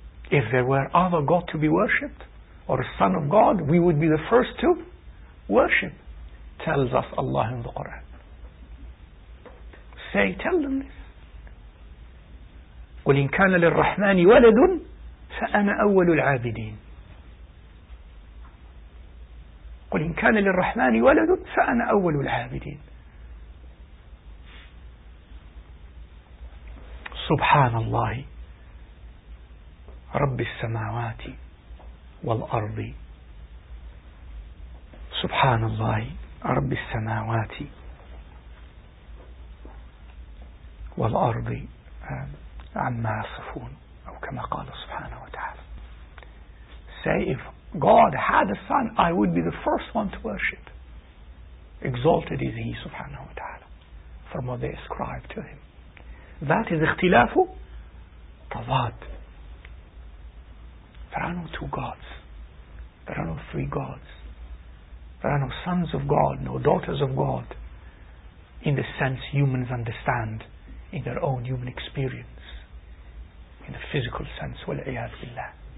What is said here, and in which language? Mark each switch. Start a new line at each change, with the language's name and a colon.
English: If there were other God to be worshipped, or a son of God, we would be the first to worship, tells us Allah in the Quran. Say, tell them this.
Arabic: قُلْ إِنْ كَانَ لِلرَّحْمَانِ وَلَدٌ فَأَنَا أَوَّلُ الْعَابِدِينَ قُلْ إِنْ كَانَ لِلرَّحْمَانِ وَلَدٌ فَأَنَا أَوَّلُ الْعَابِدِينَ سبحان الله رب السماوات والأرض سبحان الله رب السماوات والأرض عما يصفون أو كما قال سبحانه وتعالى.
English: Say, if God had a son, I would be the first one to worship. Exalted is He, subhanahu wa ta'ala, from what they ascribe to Him. That is ikhtilafu tawad. There are no two gods. There are no three gods. There are no sons of God, no daughters of God, in the sense humans understand in their own human experience, in the physical sense. Wal-iyad billah.